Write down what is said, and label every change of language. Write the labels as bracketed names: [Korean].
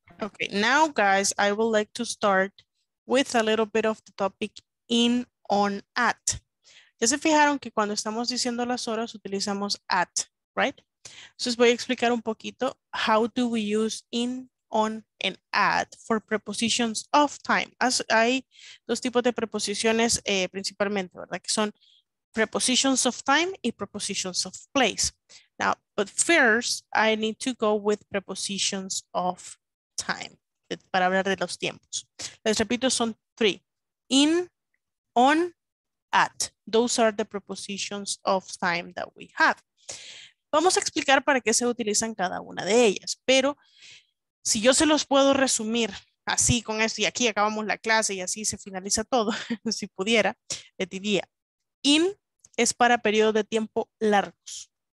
[English] Okay, now guys, I would like to start with a little bit of the topic in, on, at. [Spanish] Ya se fijaron que cuando estamos diciendo las horas utilizamos at, right? Entonces voy a explicar un poquito [English] how do we use in, on, and at for prepositions of time. [Spanish] As hay dos tipos de preposiciones principalmente, ¿verdad? Que son prepositions of time y prepositions of place. [English] Now, but first, I need to go with prepositions of time [Spanish] para hablar de los tiempos. Les repito, son three. In, on, at. [English] Those are the prepositions of time that we have. [Spanish] Vamos a explicar para qué se utilizan cada una de ellas, pero si yo se los puedo resumir así con esto y aquí acabamos la clase y así se finaliza todo, si pudiera, le diría, in es para periodos de tiempo largos.